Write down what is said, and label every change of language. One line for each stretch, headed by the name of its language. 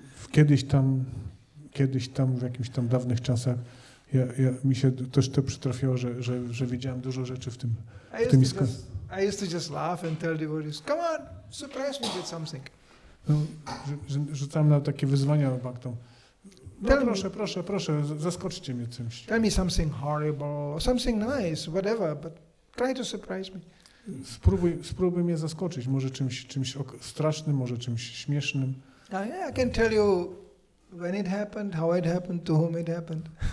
Polish: Kiedyś tam, w jakimś tam dawnych czasach, ja mi się też to przytrafiło, że widziałem dużo rzeczy w tym ISKCON.
English: I used to just laugh and tell devotees, come on, surprise me with something.
Polish: No, rzucałem na takie wyzwania baktom. Proszę, zaskoczcie mnie czymś.
English: Tell me something horrible, something nice, whatever, but try to surprise me.
Polish: Spróbuj mnie zaskoczyć, może czymś strasznym, może czymś śmiesznym.
English: I can tell you when it happened, how it happened, to whom it happened.